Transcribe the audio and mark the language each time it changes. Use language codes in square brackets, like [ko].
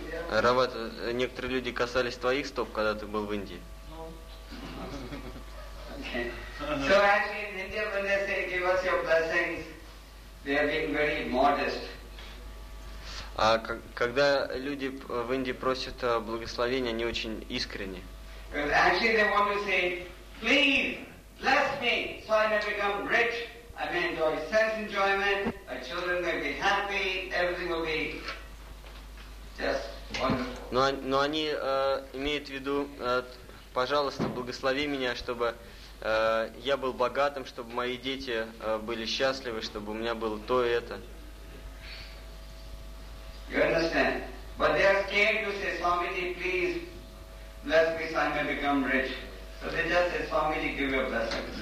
[ru] Равата, некоторые люди касались твоих стоп, когда ты был в Индии. [en] So actually in India when they say give us your blessings, they are being very modest. [ru] А когда люди в Индии просят благословения, они очень искренне. [en] Because actually they want to say, please bless me, so I may become rich, I may enjoy sense enjoyment, my children may be happy, everything will be just wonderful. [ru] Но они имеют в виду, пожалуйста, благослови меня, чтобы я был богатым, чтобы мои дети были счастливы, чтобы у меня было то и это. [en] You understand? But they are scared to say, Swamiji, please bless me so I may become rich. So they just say, Swamiji, give your blessing.